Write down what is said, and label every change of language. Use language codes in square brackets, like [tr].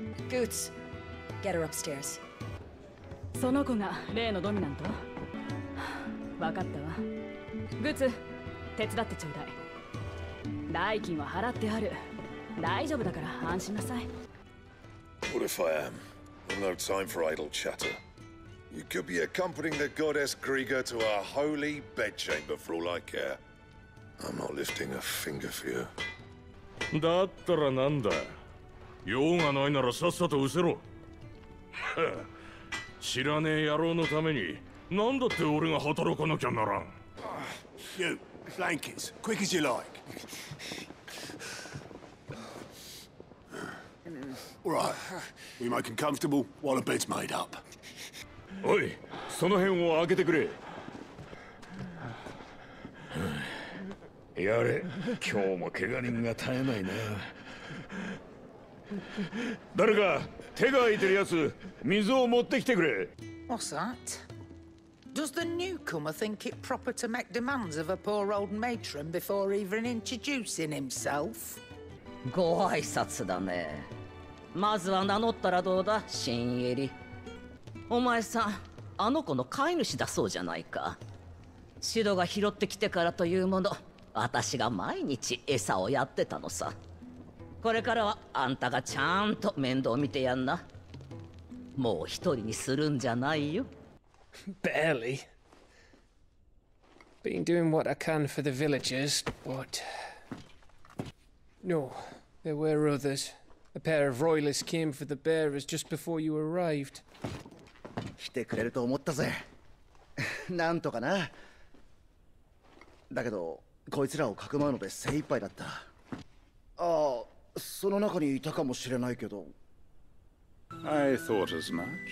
[en] Goots, get her upstairs. [ja] その子が例のドミナント？わかったわ。 Goots、手伝ってちょうだい。代金は払ってある。大丈夫だから安心なさい。 [en] What if I am? No time for idle chatter. You could be accompanying the goddess Grieger to our holy bedchamber for all I care. I'm not lifting a finger for you. [ja] だったらなんだ。用がないならさっさと失せろ。知らねえ野郎のために、なんだって俺が働かなきゃならん。 [en] You, blankets, quick as you like. All right, we make him comfortable while a bed's made up. [ja] おい、その辺を開けてくれ。やれ、今日も怪我人が絶えないな。誰か、手が空いてるやつ、水を持ってきてくれ。 [en] What's that? Does the newcomer think it proper to make demands of a poor old matron before even introducing himself? [ja] ご挨拶だね。まずは名乗ったらどうだ、新入り。お前さん、あの子の飼い主だそうじゃないか。シドが拾ってきてからというもの、私が毎日餌をやってたのさ。これからはあんたがちゃんと面倒見てやんな。もう一人にするんじゃないよ。 [en] Barely. Been doing what I can for the villagers, but... No, there were others. A pair of royalists came for the bearers just before you arrived. [ja] 来てくれると思ったぜ。なんとかな。だけど、こいつらをかくまうので精一杯だった。ああ、その中にいたかもしれないけど。 [en] I thought as much.